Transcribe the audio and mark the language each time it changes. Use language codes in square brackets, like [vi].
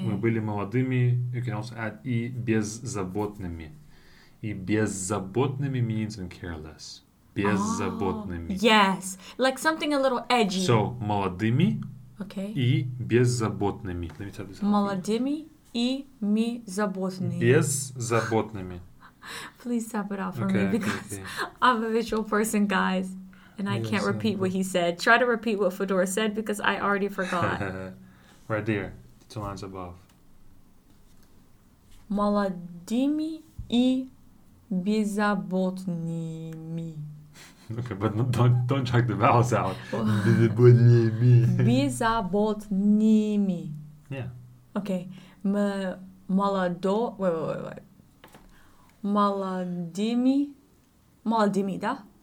[ru] Мы были молодыми, [en] you can also add [ru] и беззаботными. И беззаботными [en] means and careless. Беззаботными. Oh, yes, like something a little edgy. [ru] So, молодыми. [en] Okay. [ru] И беззаботными. [en] Let me tell you something. [ru] Молодыми и ми заботными. Беззаботными. [en] Please stop it off for me because I'm a visual person, guys. And I can't repeat what he said. Try to repeat what Fedor said because I already forgot. Right there. The two lines above. [ru] Молодыми и беззаботными. [en] Okay, but don't check the vowels out. [ru] Беззаботными. Беззаботными. [en] Yeah. [ru] Okay. Молодо. Молодыми. Молодыми, да?